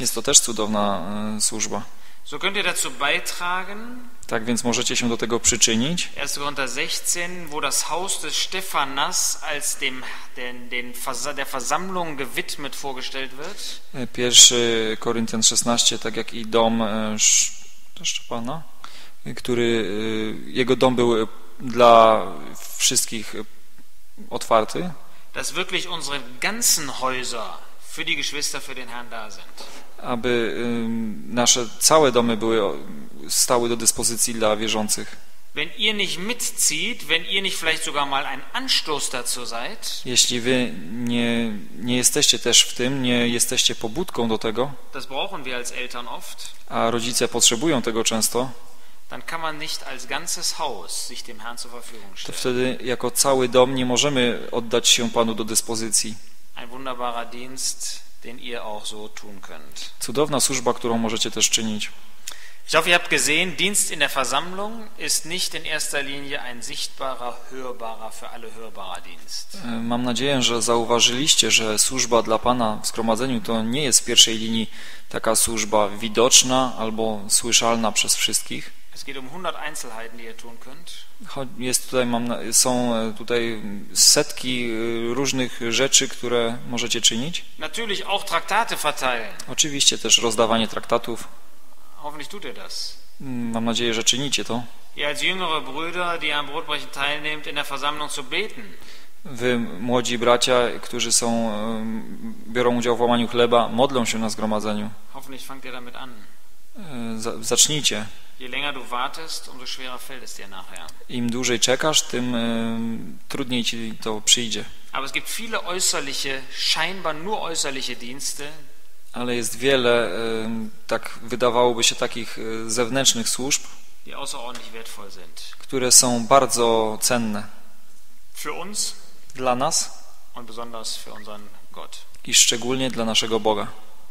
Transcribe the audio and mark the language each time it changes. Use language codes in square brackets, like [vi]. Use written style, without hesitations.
[pl] Jest to też cudowna służba. [de] So könnt ihr dazu beitragen. [pl] Tak więc możecie się do tego przyczynić. [de] 1. Korinther 16, wo das Haus des Stephanas als dem der Versammlung gewidmet vorgestellt wird. [pl] 1. Korinthian 16, tak jak i dom Stefana, który jego dom był dla wszystkich otwarty. [de] Dass wirklich unsere ganzen Häuser für die Geschwister für den Herrn da sind. [pl] Aby nasze całe domy były stały do dyspozycji dla wierzących. [de] Wenn ihr nicht mitzieht, wenn ihr nicht vielleicht sogar mal ein Anstoß dazu seid. [pl] Jeśli wy nie jesteście też w tym, nie jesteście pobudką do tego. [de] Das brauchen wir als Eltern oft. [pl] A rodzice potrzebują tego często. [de] Dann kann man nicht als ganzes Haus sich dem Herrn zur Verfügung stellen. [pl] To wtedy jako cały dom nie możemy oddać się Panu do dyspozycji. [de] Ein wunderbarer Dienst, den ihr auch so tun könnt. [pl] Cudowna służba, którą możecie też czynić. [de] Ich hoffe, ihr habt gesehen, Dienst in der Versammlung ist nicht in erster Linie ein sichtbarer, hörbarer, für alle hörbarer Dienst. [pl] Mam nadzieję, że zauważyliście, że służba dla Pana w zgromadzeniu to nie jest w pierwszej linii taka służba widoczna albo słyszalna przez wszystkich. [de] Es geht um 100 Einzelheiten, die ihr tun könnt. [pl] Są tutaj setki różnych rzeczy, które możecie czynić. [de] Natürlich auch Traktate verteilen. [pl] Oczywiście też rozdawanie traktatów. [de] Hoffentlich tut ihr das. [pl] Mam nadzieję, że czynicie to. [de] Ihr als jüngere Brüder, die am Brotbrechen teilnehmt, in der Versammlung zu beten. [pl] Wy młodzi bracia, którzy są biorą udział w łamaniu chleba, modlą się na zgromadzeniu. [de] Hoffentlich fangt ihr damit an. [pl] Zacznijcie. [de] Je länger du wartest, umso schwerer fällt es dir nachher. [pl] Im dłużej czekasz, tym trudniej ci to przyjdzie. [de] Aber es gibt viele äußerliche, scheinbar nur äußerliche Dienste. [pl] Ale jest wiele, tak wydawałoby się, takich zewnętrznych służb, [de] die außerordentlich wertvoll sind. [pl] Które są bardzo cenne. [de] Für uns. [pl] Dla nas. [de] Und besonders für unseren Gott. [pl] I szczególnie dla naszego Boga.